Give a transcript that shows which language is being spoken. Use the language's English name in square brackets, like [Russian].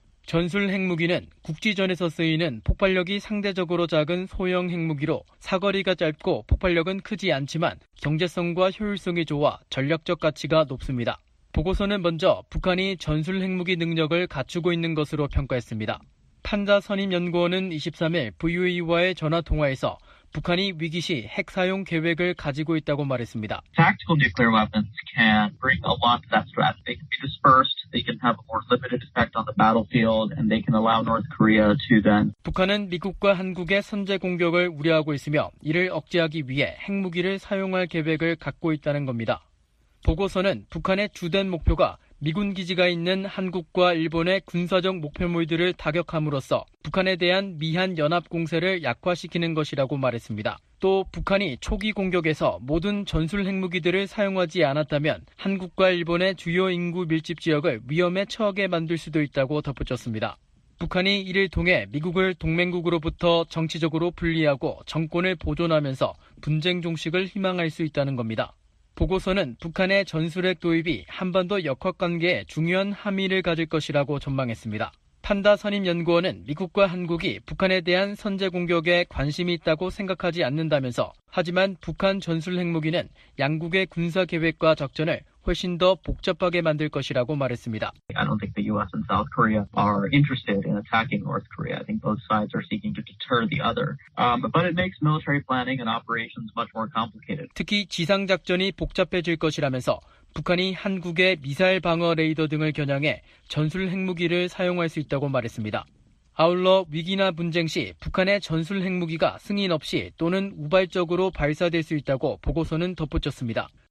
[Korean] 전술핵무기는 국지전에서 쓰이는 폭발력이 상대적으로 작은 소형 핵무기로 사거리가 짧고 폭발력은 크지 않지만 경제성과 효율성이 좋아 전략적 가치가 높습니다. 보고서는 먼저 북한이 전술 핵무기 능력을 갖추고 있는 것으로 평가했습니다. 판다 선임연구원은 23일 VOA와의 전화통화에서 북한이 위기 시 핵 사용 계획을 가지고 있다고 말했습니다. [English] Tactical nuclear weapons can bring a lot to that strategy. They can be dispersed, they can have a more limited effect on the battlefield, and they can allow North Korea to then. [Korean] 북한은 미국과 한국의 선제 공격을 우려하고 있으며 이를 억제하기 위해 핵무기를 사용할 계획을 갖고 있다는 겁니다. 보고서는 북한의 주된 목표가 미군 기지가 있는 한국과 일본의 군사적 목표물들을 타격함으로써 북한에 대한 미한 연합 공세를 약화시키는 것이라고 말했습니다. 또 북한이 초기 공격에서 모든 전술 핵무기들을 사용하지 않았다면 한국과 일본의 주요 인구 밀집 지역을 위험에 처하게 만들 수도 있다고 덧붙였습니다. 북한이 이를 통해 미국을 동맹국으로부터 정치적으로 분리하고 정권을 보존하면서 분쟁 종식을 희망할 수 있다는 겁니다. 보고서는 북한의 전술핵 도입이 한반도 역학관계에 중요한 함의를 가질 것이라고 전망했습니다. 판다 선임연구원은 미국과 한국이 북한에 대한 선제 공격에 관심이 있다고 생각하지 않는다면서 하지만 북한 전술핵무기는 양국의 군사 계획과 작전을 훨씬 더 복잡하게 만들 것이라고 말했습니다. [English] I don't think the US and South Korea are interested in attacking North Korea. I think both sides are seeking to deter the other. But it makes military planning and operations much more complicated. [Korean] 특히 지상 작전이 복잡해질 것이라면서 북한이 한국의 미사일 방어 레이더 등을 겨냥해 전술 핵무기를 사용할 수 있다고 말했습니다. 아울러 위기나 분쟁 시 북한의 전술 핵무기가 승인 없이 또는 우발적으로 발사될 수 있다고 보고서는 덧붙였습니다.